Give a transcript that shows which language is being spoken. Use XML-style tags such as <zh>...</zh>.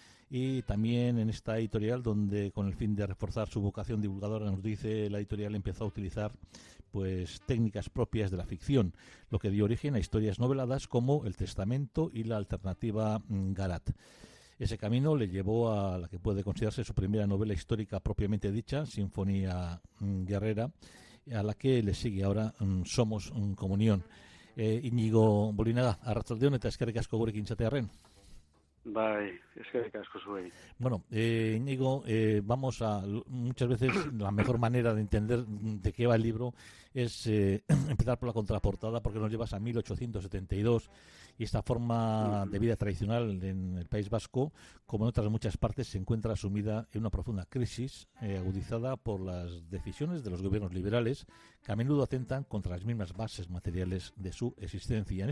<es>Y también en esta editorial, donde con el fin de reforzar su vocación divulgadora, nos dice, la editorial empezó a utilizar pues técnicas propias de la ficción, lo que dio origen a historias noveladas como El Testamento y la alternativa Garat. Ese camino le llevó a la que puede considerarse su primera novela histórica propiamente dicha, Sinfonía Guerrera, a la que le sigue ahora Somos Comunión.</es> <eu>Íñigo Bolinaga, arratsaldeon eta eskerrik asko gurekin izatearren.</eu> <es>Bai, es que casco soy. Bueno, Íñigo, vamos a muchas veces la mejor manera de entender de qué va el libro es empezar por la contraportada, porque nos llevas a 1872 y esta forma de vida tradicional en el País Vasco, como en otras muchas partes, se encuentra sumida en una profunda crisis agudizada por las decisiones de los gobiernos liberales, que a menudo atentan contra las mismas bases materiales de su existencia.</es>